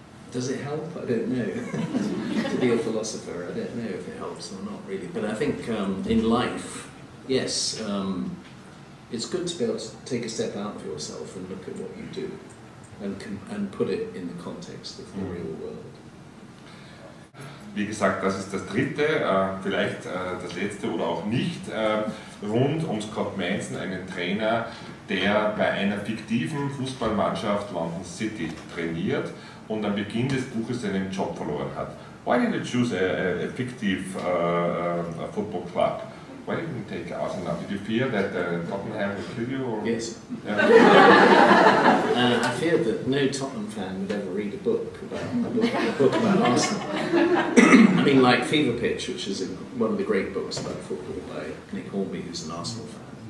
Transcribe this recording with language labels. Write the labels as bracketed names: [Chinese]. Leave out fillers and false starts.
[English] Does it help? I don't know. To be a philosopher, I don't know if it helps or not, really. But I think in life, yes, it's good to be able to take a step out of yourself and look at what you do and put it in the context of the real world. [German] Wie gesagt, das ist das dritte, vielleicht das letzte oder auch nicht, rund um Scott Manson, einen Trainer, der bei einer fiktiven Fußballmannschaft London City trainiert und am Beginn des Buches seinen Job verloren hat. [English] Why did you choose a fictive football club? Why didn't you take Arsenal? Did you fear that Tottenham would kill you? Or? Yes. Yeah. I feared that no Tottenham fan would ever read a book about Arsenal. I mean, like Fever Pitch, which is one of the great books about football by Nick Hornby, who's an Arsenal fan.